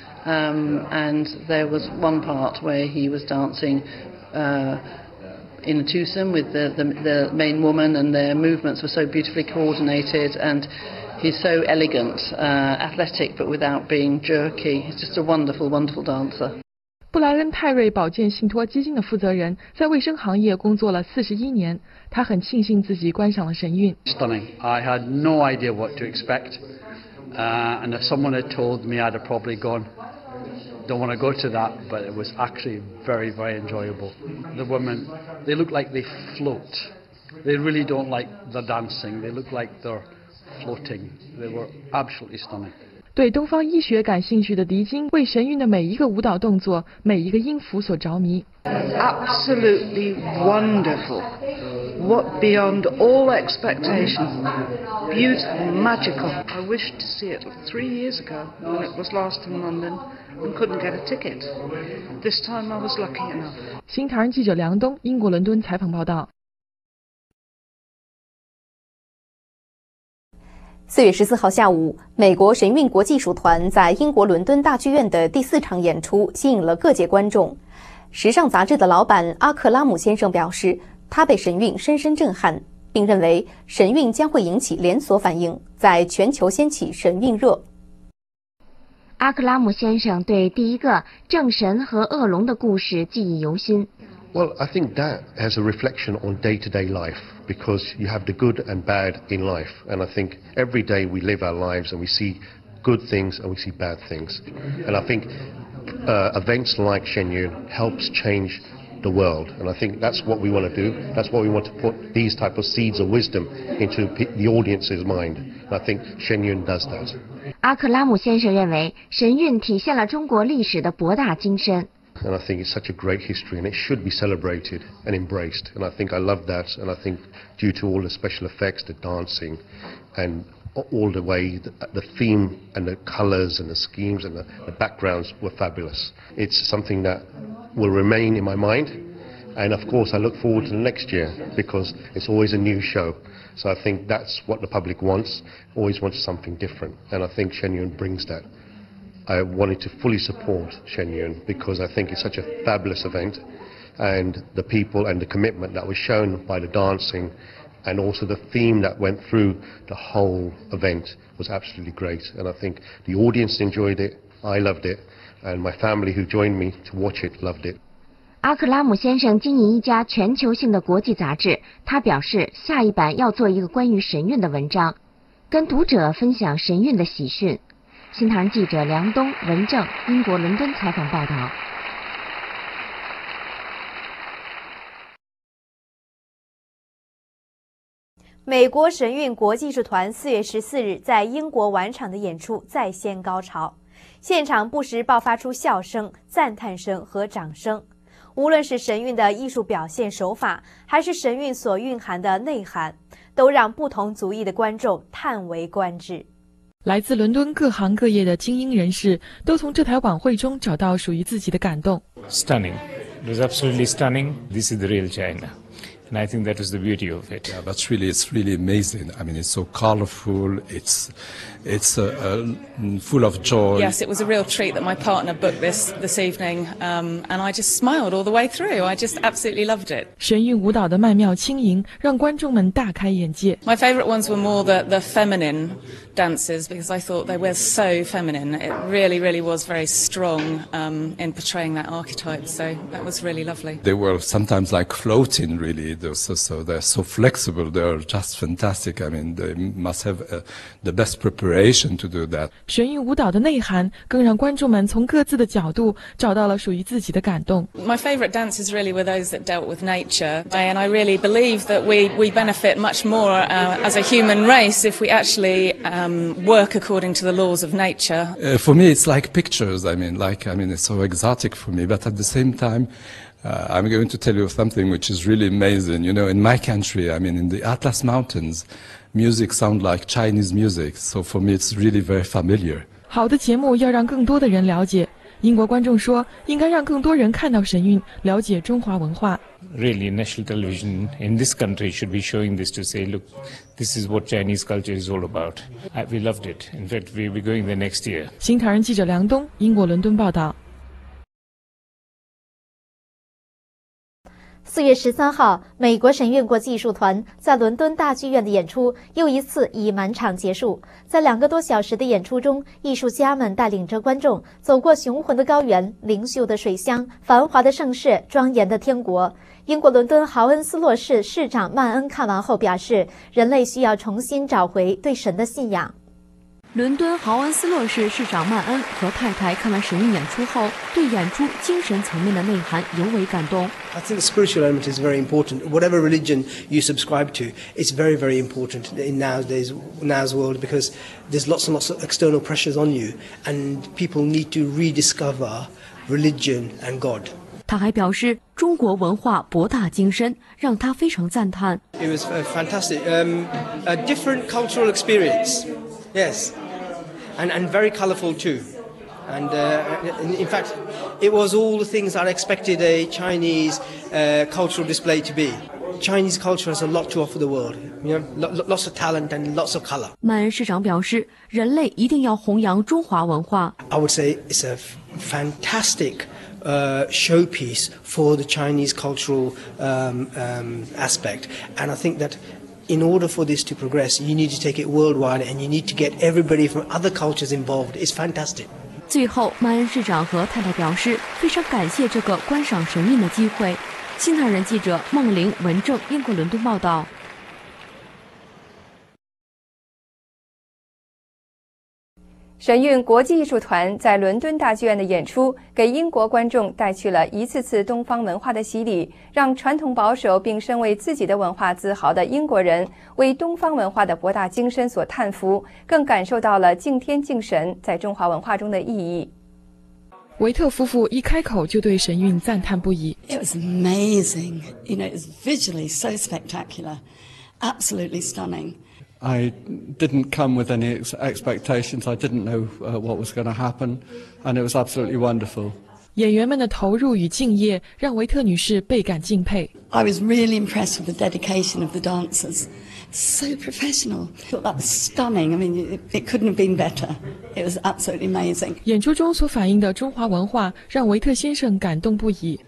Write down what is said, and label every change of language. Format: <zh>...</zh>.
<en>And there was one part where he was dancing. In a twosome with the main woman, and their movements were so beautifully coordinated, and he's so elegant, athletic, but without being jerky. He's just a wonderful, wonderful dancer.</en> <zh>布莱恩·泰瑞保健信托基金的负责人在卫生行业工作了41年，他很庆幸自己观赏了神韵。</zh> <en>Stunning. I had no idea what to expect, and if someone had told me, I'd have probably gone. Don't want to go to that, but it was actually very, very enjoyable. The women, they look like they float. They really don't like the dancing. They look like they're floating. They were absolutely stunning.</en> <zh>对东方医学感兴趣的狄金，为神韵的每一个舞蹈动作、每一个音符所着迷。</zh> <en>Absolutely wonderful. What beyond all expectation? Beautiful, magical. I wished to see it 3 years ago when it was last in London and couldn't get a ticket. This time I was lucky enough.</en> <zh>新唐人记者梁东，英国伦敦采访报道。 4月14号下午，美国神韵国际艺术团在英国伦敦大剧院的第四场演出吸引了各界观众。时尚杂志的老板阿克拉姆先生表示，他被神韵深深震撼，并认为神韵将会引起连锁反应，在全球掀起神韵热。阿克拉姆先生对第一个正神和恶龙的故事记忆犹新。</zh> <en>Well, I think that has a reflection on day-to-day life because you have the good and bad in life. And I think every day we live our lives and we see good things and we see bad things. And I think events like Shenyun helps change the world. And I think that's what we want to do. That's what we want to put these type of seeds of wisdom into the audience's mind. And I think Shenyun does that.</en> <zh>阿克拉姆先生认为神韵体现了中国历史的博大精深。</zh> <en>And I think it's such a great history and it should be celebrated and embraced. And I think I love that. And I think due to all the special effects, the dancing and all the way, the theme and the colors and the schemes and the backgrounds were fabulous. It's something that will remain in my mind. And of course, I look forward to the next year because it's always a new show. So I think that's what the public wants, always wants something different. And I think Shenyun brings that. I wanted to fully support Shenyun because I think it's such a fabulous event and the people and the commitment that was shown by the dancing and also the theme that went through the whole event was absolutely great and I think the audience enjoyed it, I loved it and my family who joined me to watch it loved it.</en> <zh>阿克拉姆先生经营一家全球性的国际杂志，他表示下一版要做一个关于神韵的文章，跟读者分享神韵的喜讯。新唐记者梁东、文正，英国伦敦采访报道。美国神韵国际艺术团4月14日在英国晚场的演出再掀高潮，现场不时爆发出笑声、赞叹声和掌声。无论是神韵的艺术表现手法，还是神韵所蕴含的内涵，都让不同族裔的观众叹为观止。来自伦敦各行各业的精英人士都从这台晚会中找到属于自己的感动。</zh> <en>Stunning. It was absolutely stunning. This is the real China. And I think that was the beauty of it. Yeah, that's really, it's really amazing. I mean, it's so colorful. It's full of joy. Yes, it was a real treat that my partner booked this evening. And I just smiled all the way through. I just absolutely loved it.</en> <zh>神韵舞蹈的曼妙轻盈让观众们大开眼界。</zh> <en>My favorite ones were more the feminine dances because I thought they were so feminine. It really, really was very strong in portraying that archetype. So that was really lovely. They were sometimes like floating, really. They're so flexible. They're just fantastic. I mean, they must have the best preparation to do that.</en> <zh>神韵舞蹈的内涵更让观众们从各自的角度找到了属于自己的感动。</zh> <en>My favorite dances really were those that dealt with nature. And I really believe that we benefit much more as a human race if we actually work according to the laws of nature. For me, it's like pictures. I mean, it's so exotic for me. But at the same time, I'm going to tell you something which is really amazing. You know, in my country, I mean, in the Atlas Mountains, music sounds like Chinese music. So for me, it's really very familiar.</en> <zh>好的节目要让更多的人了解。英国观众说，应该让更多人看到神韵，了解中华文化。</zh> <en>Really, national television in this country should be showing this to say, look, this is what Chinese culture is all about. We loved it. In fact, we'll be going there next year. 新唐人记者梁东，英国伦敦报道。</en> <zh>4月13号，美国神韵国际艺术团在伦敦大剧院的演出又一次以满场结束。在两个多小时的演出中，艺术家们带领着观众走过雄浑的高原、灵秀的水乡、繁华的盛世、庄严的天国。英国伦敦豪恩斯洛市市长曼恩看完后表示，人类需要重新找回对神的信仰。伦敦豪恩斯洛市市长曼恩和太太看完神韵演出后，对演出精神层面的内涵尤为感动。</zh> <en>I think the spiritual element is very important. Whatever religion you subscribe to, it's very, very important in nowadays world because there's lots and lots of external pressures on you, and people need to rediscover religion and God.</en> <zh>他还表示中国文化博大精深，让他非常赞叹。</zh> <en>It was fantastic. A different cultural experience. Yes. And very colorful too. And in fact, it was all the things I expected a Chinese cultural display to be. Chinese culture has a lot to offer the world. You know, lots of talent and lots of color.</en> <zh>曼恩市长表示，人类一定要弘扬中华文化。</zh> <en>I would say it's a fantastic showpiece for the Chinese cultural aspect. And I think that in order for this to progress, you need to take it worldwide and you need to get everybody from other cultures involved. It's fantastic.</en> <zh>最后，曼恩市长和太太表示非常感谢这个观赏神韵的机会。新唐人记者孟玲、文正，英国伦敦报道。神韵国际艺术团在伦敦大剧院的演出给英国观众带去了一次次东方文化的洗礼，让传统保守并身为自己的文化自豪的英国人为东方文化的博大精深所叹服，更感受到了敬天敬神在中华文化中的意义。维特夫妇一开口就对神韵赞叹不已。</zh> <en>It was amazing, you know, it was visually so spectacular, absolutely stunning I didn't come with any expectations. I didn't know what was going to happen, and it was absolutely wonderful.</en> <zh>演员们的投入与敬业让维特女士倍感敬佩。</zh> <en>I was really impressed with the dedication of the dancers. So professional. I thought that was stunning. I mean, it couldn't have been better. It was absolutely amazing.</en> <zh>演出中所反映的中华文化让维特先生感动不已。</zh>